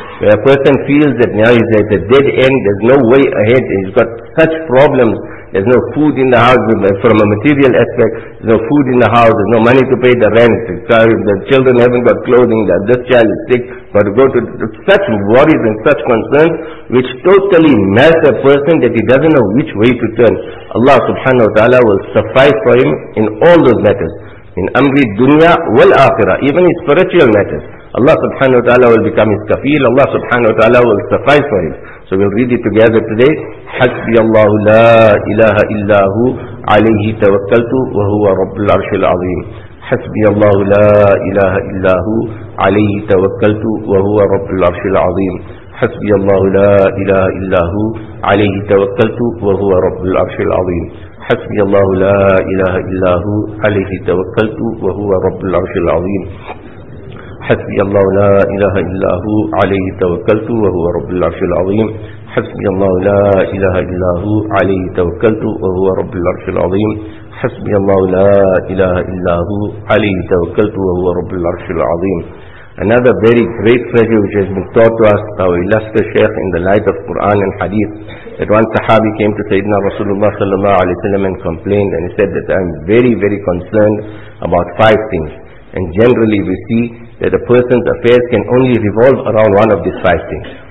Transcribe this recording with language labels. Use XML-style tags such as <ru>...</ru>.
<en>Where a person feels that now he's at the dead end, there's no way ahead, he's got such problems, there's no food in the house from a material aspect, there's no food in the house, there's no money to pay the rent, the children haven't got clothing, this child is sick, but go to such worries and such concerns which totally melt a person that he doesn't know which way to turn. Allah subhanahu wa ta'ala will suffice for him in all those matters.</en> <ar>In amri dunya wal akhirah,</ar> <en>even in spiritual matters, Allah subhanahu wa ta'ala will become his kafil, Allah subhanahu wa ta'ala will suffice for him. So we'll read it together today.</en> <ar>حسبي الله لا إله إلا هو عليه توكلت وهو رب العرش العظيم حسبي الله لا إله إلا هو عليه توكلت وهو رب العرش العظيم حسبي الله لا إله إلا هو عليه توكلت وهو رب العرش العظيم حسبي الله لا إله إلا هو عليه توكلت وهو رب العرش العظيم حسبي الله لا إله إلا هو عليه توكلت وهو رب العرش العظيم حسبي الله لا إله إلا هو عليه توكلت وهو رب العرش العظيم حسبي الله لا إله إلا هو عليه توكلت وهو رب العرش العظيم.</ar> <en>Another very great treasure which has been taught to us by our illustrious Shaykh in the light of Quran and Hadith, that one Sahabi came to Sayyidina Rasulullah sallallahu alayhi wa sallam and complained, and he said that I'm very, very concerned about five things. And generally we see that a person's affairs can only revolve around one of these five things.</en>